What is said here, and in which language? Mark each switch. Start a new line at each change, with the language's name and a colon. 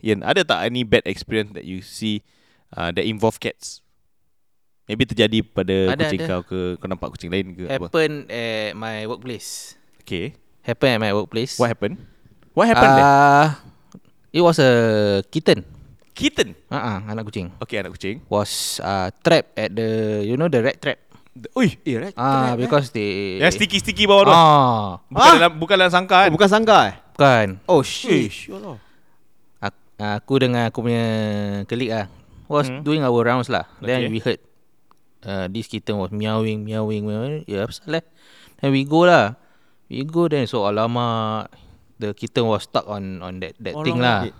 English: Ian,
Malay: ada tak
English: any bad experience that you see that involve cats?
Malay: Maybe terjadi pada kucing kau ke kau nampak kucing lain ke?
English: Happen apa? At my workplace. Okay. Happen at my workplace. What happened? What happened there? It was a kitten. kitten.
Malay: Uh-uh, anak kucing. Okay, anak kucing.
English: Was trapped at the, you know, the rat trap. Uy, rat trap. Because they...
Malay: Yeah, sticky-sticky bawah tu. Bukan dalam sangkar kan? Oh, bukan sangkar eh? Bukan.
English: Oh, sheesh.
Malay: Aku dengan aku punya klik lah.
English: Was doing our rounds lah. Okay. Then we heard this kitten was meowing. Yeah, pasal leh. Then we go lah. We go then, so alamak. The kitten was stuck on that thing lah.